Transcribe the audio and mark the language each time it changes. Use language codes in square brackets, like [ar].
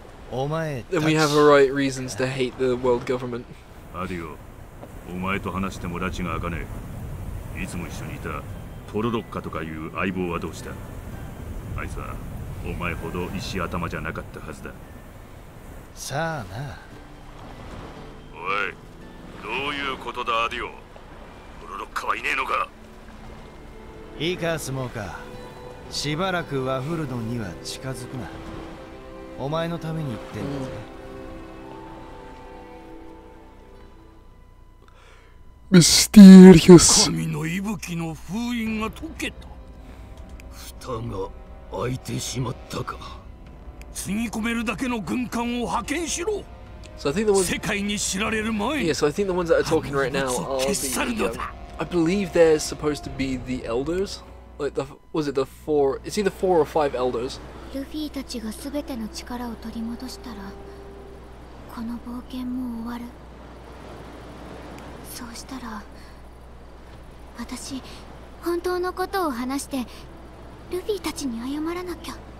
[en] Then we have the right reasons to hate the world government. [ja] Adio, お前と話しても拉致が明かねえ。いつも一緒にいたトロロッカとかいう相棒はどうした？あいつはお前ほど石頭じゃなかったはずだ。さあな。おい、どういうことだ、アディオ。トロロッカはいねえのか？いいか、スモーカー。しばらくワフルドには近づくな。お前のために言ってんだぜ。ミステリアス。神の息吹の封印が解けた。蓋が開いてしまったか。積み込めるだけの軍艦を派遣しろ。 [en] So、I think the ones... [ja] 世界に知られる前に。 [en] Yeah, so I think the ones that are talking right now are the, I believe they're supposed to be the elders. Like the, was it the four, it's either four or five elders. [ja] Luffy たちが全ての力を取り戻したら、この冒険も終わる。そうしたら、私、本当のことを話して、Luffy たちに謝らなきゃ。